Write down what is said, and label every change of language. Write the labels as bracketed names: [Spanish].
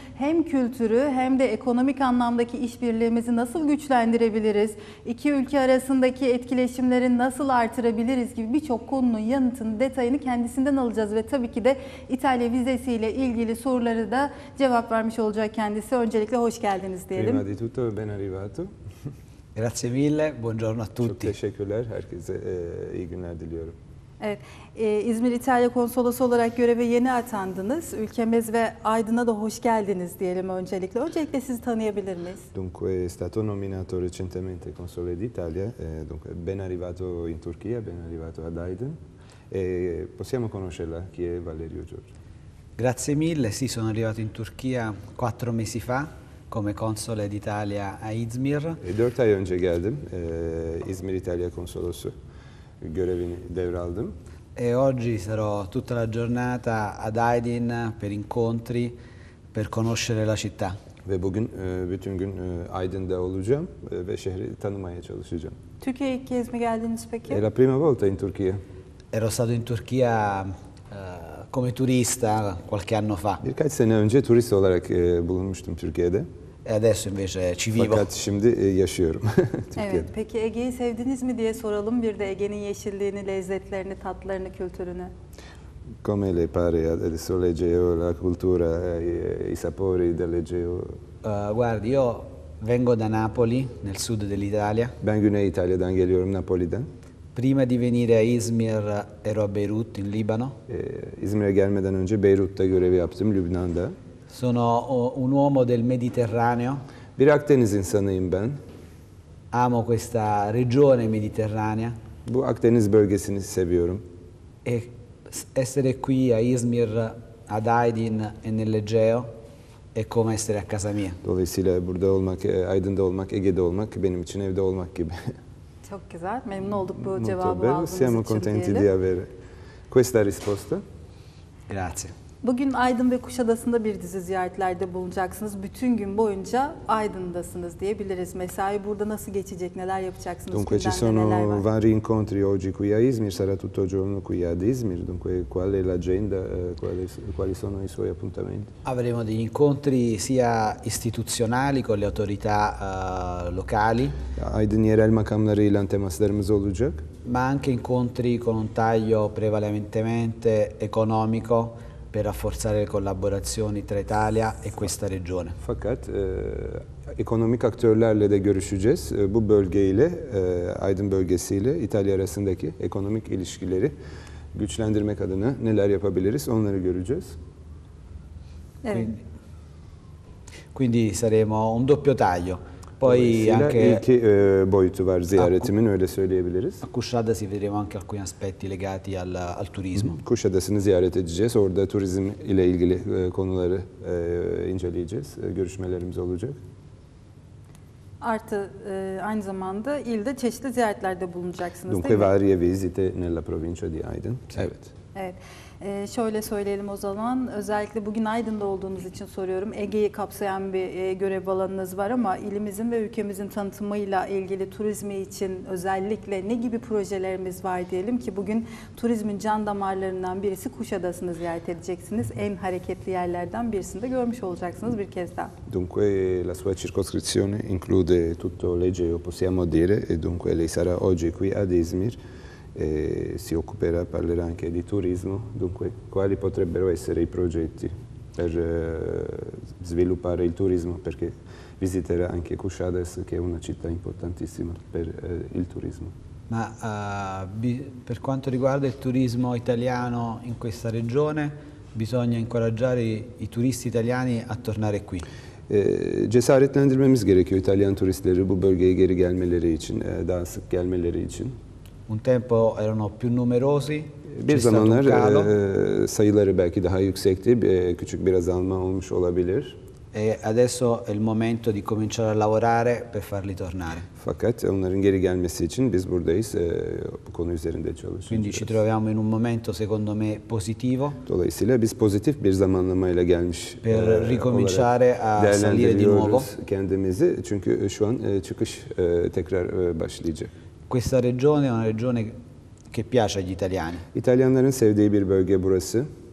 [Turkish] Hem kültürü hem de ekonomik anlamdaki işbirliğimizi nasıl güçlendirebiliriz? İki ülke arasındaki etkileşimleri nasıl artırabiliriz gibi birçok konunun yanıtını, detayını kendisinden alacağız. Ve tabii ki de İtalya vizesi ile ilgili soruları da cevap vermiş olacak kendisi. Öncelikle hoş geldiniz diyelim. [Italian] Prima di tutto, ben arrivato. Grazie mille, buongiorno a tutti. [Turkish] Çok teşekkürler, herkese iyi günler diliyorum. Evet, İzmir İtalya Konsolosu olarak göreve yeni atandınız. Ülkemiz ve Aydın'a da hoş geldiniz diyelim öncelikle. Öncelikle sizi tanıyabilir miyiz? [Italian] Dunque, è stato nominato recentemente console d'Italia. Dunque, ben arrivato in Turchia, ben arrivato ad Aydın. Possiamo conoscerla, chi è Valerio Giorgio? Grazie mille, sì, sono arrivato in Turchia 4 mesi fa. Come console d'Italia a İzmir. [Turkish] 4 ay önce geldim. İzmir İtalya Konsolosu görevini devraldım. [Italian] E oggi sarò tutta la giornata ad Aydın per incontri, per conoscere la città. [Turkish] Ve bugün bütün gün Aydın'da olacağım ve şehri tanımaya çalışacağım. Türkiye'ye ilk kez mi geldiniz peki? [Italian] È la prima volta in Turchia. Ero stato in Turchia come turista qualche anno fa. [Turkish] Birkaç sene önce turist olarak bulunmuştum Türkiye'de. [Italian] E adesso invece ci vivo. [Turkish] Fakat şimdi yaşıyorum Türkiye'de. Evet, peki Ege'yi sevdiniz mi diye soralım. Bir de Ege'nin yeşilliğini, lezzetlerini, tatlarını, kültürünü. [Italian] Come le pare adesso l'Egeo, la cultura, i sapori dell'Egeo? Guardi, io vengo da Napoli, nel sud dell'Italia. [Turkish] Ben Güney İtalya'dan geliyorum, Napoli'den. [Italian] Prima di venire a Izmir ero a Beirut in Libano. [Turkish] İzmir'e gelmeden önce Beyrut'ta görev yaptım, Lübnan'da. [Italian] Sono un uomo del Mediterraneo. [Turkish] Bir Akdeniz insanıyım ben. [Italian] Amo questa regione mediterranea. [Turkish] Bu Akdeniz bölgesini seviyorum. [Italian] E essere qui a Izmir ad Aydın e nell'Egeo è come essere a casa mia. [Turkish] Dolayısıyla burada olmak, Aydın'da olmak, Ege'de olmak benim için evde olmak gibi. Çok güzel. Memnun olduk bu cevabı aldığınız için diyelim. [Italian] Siamo contenti di avere questa risposta. Grazie. [Turkish] Bugün Aydın ve Kuşadası'nda bir dizi ziyaretlerde bulunacaksınız. Bütün gün boyunca Aydın'dasınız diyebiliriz. Mesai burada nasıl geçecek? Neler yapacaksınız? [Italian] Dunque ci sono vari incontri oggi qui a Izmir. Sarà tutto il giorno qui ad Izmir. Dunque qual è l'agenda? Quali sono i suoi appuntamenti? Avremo degli incontri sia istituzionali con le autorità locali. [Turkish] Aydın yerel makamlarıyla temaslarımız olacak. [Italian] Ma anche incontri con un taglio prevalentemente economico. Per rafforzare le collaborazioni tra Italia e questa regione. [Turkish] Fakat ekonomik aktörlerle de görüşeceğiz. Bu bölgeyle, Aydın bölgesiyle İtalya arasındaki ekonomik ilişkileri güçlendirmek adına neler yapabiliriz onları göreceğiz. Evet. [Italian] Quindi saremo un doppio taglio. Poi anche [Turkish] iki boyutu var ziyaretimin, öyle söyleyebiliriz. [Italian] A Kuşadası vedremo anche alcuni aspetti legati al turismo. [Turkish] Kuşadası'nı ziyaret edeceğiz. Orada turizm ile ilgili konuları inceleyeceğiz. Görüşmelerimiz olacak. Artı aynı zamanda ilde çeşitli ziyaretlerde bulunacaksınız. [Italian] Dunque varie visite nella provincia di Aydın. [Turkish] Evet. Evet. Şöyle söyleyelim o zaman, özellikle bugün Aydın'da olduğunuz için soruyorum. Ege'yi kapsayan bir görev alanınız var ama ilimizin ve ülkemizin tanıtımıyla ilgili turizmi için özellikle ne gibi projelerimiz var diyelim ki bugün turizmin can damarlarından birisi Kuşadası'nı ziyaret edeceksiniz. En hareketli yerlerden birisini de görmüş olacaksınız bir kez daha. [Italian] Dunque la sua circoscrizione include tutto l'Egeo, possiamo dire. Dunque lei sarà oggi qui ad Izmir. Si occuperà, parlerà anche di turismo. Dunque, quali potrebbero essere i progetti per sviluppare il turismo? Perché visiterà anche Kuşadası, che è una città importantissima per il turismo. Ma per quanto riguarda il turismo italiano in questa regione, bisogna incoraggiare i turisti italiani a tornare qui. [Turkish] Cesaretlendirmemiz gerekiyor İtalyan turistleri bu bölgeye geri gelmeleri için, daha sık gelmeleri için. [Italian] Un tempo erano più numerosi. [Turkish] Bir zamanlar sayıları belki daha yüksekti, küçük bir azalma olmuş olabilir. [Italian] E adesso è il momento di cominciare a lavorare per farli tornare. [Turkish] Fakat onların geri gelmesi için biz buradayız, bu konu üzerinde çalışıyoruz. [Italian] Quindi ci troviamo in un momento secondo me positivo. [Turkish] Dolayısıyla biz pozitif bir zamanlamayla gelmiş. [Italian] Per ricominciare a salire di nuovo. [Turkish] Kendimizi, çünkü şu an çıkış tekrar başlayacak. [Italian] Questa regione è una regione che piace agli italiani. [Turkish] İtalyanların sevdiği bir bölge burası.